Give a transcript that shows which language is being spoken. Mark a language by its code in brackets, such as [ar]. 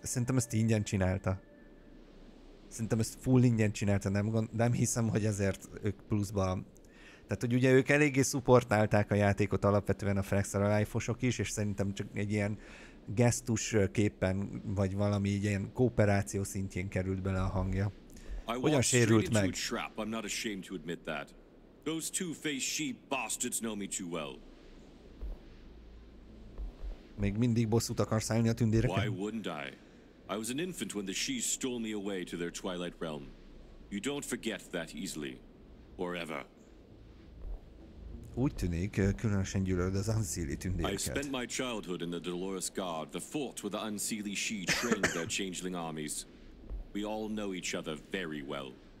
[hu] Szerintem ezt ingyen csinálta. Szerintem ezt full ingyen csinálta, nem hiszem, hogy ezért ők pluszban... Tehát, hogy ugye ők eléggé szupportálták a játékot alapvetően a Frextra Life-osok is, és szerintem csak egy ilyen gesztus képen, vagy valami ilyen kooperáció szintjén került bele a hangja. Hogyan sérült meg? [en] I'm not ashamed to admit that. Those two-faced sheep bastards know me too well. [hu] Még mindig bosszút akarsz állni a tündéreken? [en] Why wouldn't I? I was an infant when the Shees stole me away to their twilight realm. You don't forget that easily. Or ever. [hu] Úgy tűnik, különösen gyűlölöd az Unseelie tündéreket. [en] I spent my childhood in the Dolores Guard, the fort where the Unseelie Shees trained their changeling armies. We all know each other very well.